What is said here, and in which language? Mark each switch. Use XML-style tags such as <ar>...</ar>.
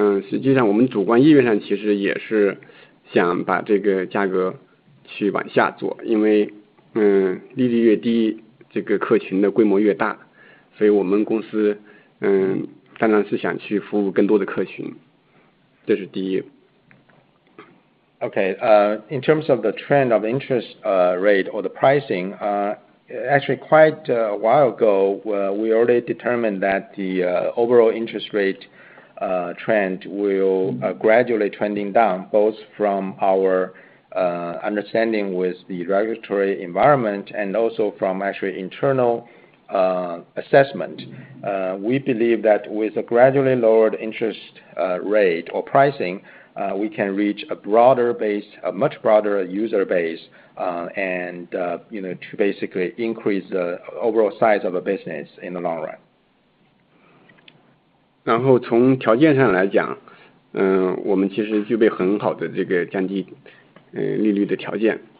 <zh>实际上我们主观意愿上其实也是想把这个价格去往下做，因为利率越低这个客群的规模越大，所以我们公司当然是想去服务更多的客群，这是第一。</zh> <en>Okay, in terms of the trend of interest rate or the pricing, actually quite a while ago, we already determined that the overall interest rate trend will gradually trending down, both from our understanding with the regulatory environment and also from actually internal assessment. We believe that with a gradually lowered interest rate or pricing, we can reach a broader base, a much broader user base, and you know, to basically increase the overall size of a business in the long run.</en> <zh>然后从条件上来讲，我们其实具备很好的这个降低利率的条件。</zh>